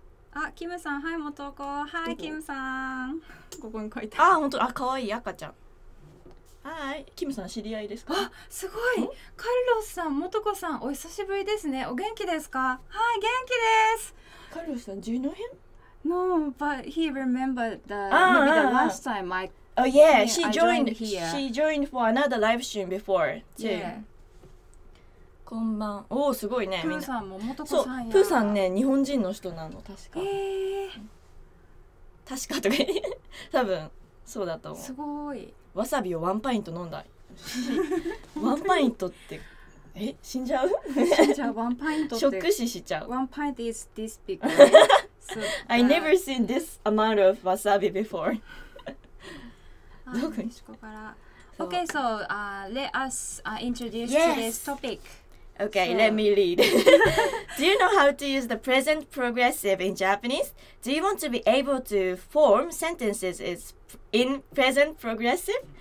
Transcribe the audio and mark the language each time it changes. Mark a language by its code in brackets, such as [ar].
[ja] あ、キムさん、はい、もとこ、はい、キムさん、ここに書いてある。あ、本当、あ、かわいい赤ちゃん。はい、キムさん知り合いですか。あ、すごい、カルロスさん、もとこさん、お久しぶりですね。お元気ですか。はい、元気です。 [en] カルロスさん、Do you know him? No, but he remembered the, maybe the last time I Oh yeah, she joined here. She joined for another live stream before too. Yeah. [ja] こんばん。おお、すごいね。プーさんも、もとこさんや。そう、プーさんね、日本人の人なの、確か。確かとか、多分そうだと思う。すごい。わさびをワンパイント飲んだ。ワンパイントって、え、死んじゃう？死んじゃう。ワンパイントって。食死しちゃう。 [en] ワンパイント is this big. So, I never seen this amount of wasabi before. [ja] どこに？メキシコから。 [en] Okay, so let us introduce today's topic. Okay, so. Let me read. Do you know how to use the present progressive in Japanese? Do you want to be able to form sentences in present progressive?